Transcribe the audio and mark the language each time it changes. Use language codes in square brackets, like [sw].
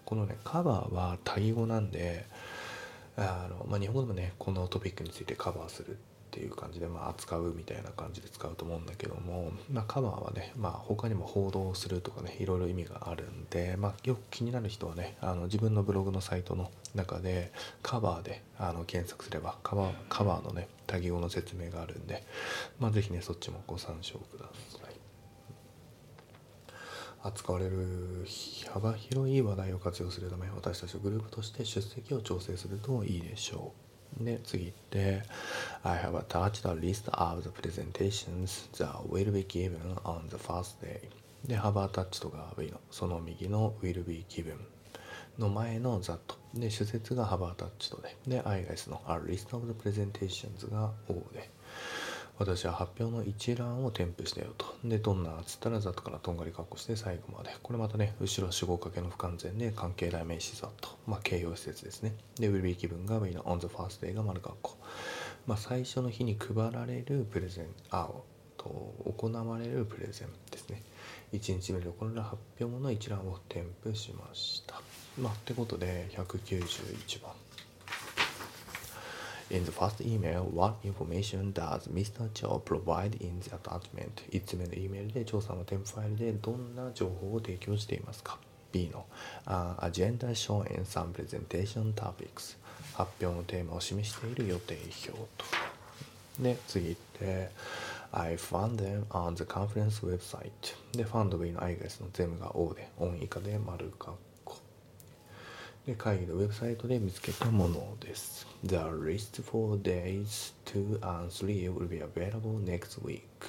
[ja] このね、カバーは多義語なんで、まあ、日本語でもね、このトピックについてカバーするっていう感じで、まあ、扱うみたいな感じで使うと思うんだけども、まあ、カバーはね、まあ、他にも報道するとかね、いろいろ意味があるんで、まあ、よく気になる人はね、自分のブログのサイトの中でカバーで検索すればカバーのね、多義語の説明があるんで、まあ、ぜひね、そっちもご参照ください。扱われる幅広い話題を活用するため、私たちグループとして出席を調整するといいでしょう。で、次行って、 [en] I have attached a list of the presentations that will be given on the first day. [ja] で、 [en] have attached [ja] が V の、その右の [en] will be given [ja] の前の that。で、主節が have attached で、で、I が S の、a list of the presentations が O で。私は発表の一覧を添付したよと。で、どんなっつったら、ざっとからとんがり括弧して最後まで。これまたね、後ろ主語かけの不完全で、関係代名詞ざっと。まあ、形容詞節ですね。で、will be given が、we know on the first day が丸括弧。まあ、最初の日に配られるプレゼン、行われるプレゼンですね。 1日目で行う発表の一覧を添付しました。まあ、ってことで、191番。 [en] In the first email, what information does Mr. Cho provide in the attachment? [ja] 1つ目の email で、調査の添付ファイルでどんな情報を提供していますか？ [en] B の、agenda showing some presentation topics. [ja] 発表のテーマを示している予定表と。 [en] で、次行って、I found them on the conference website. [ja] で、found B の I guess の全部が O で、on 以下で丸括弧。で会議のウェブサイトで見つけたものです。 [en] The list for days 2 and 3 will be available next week.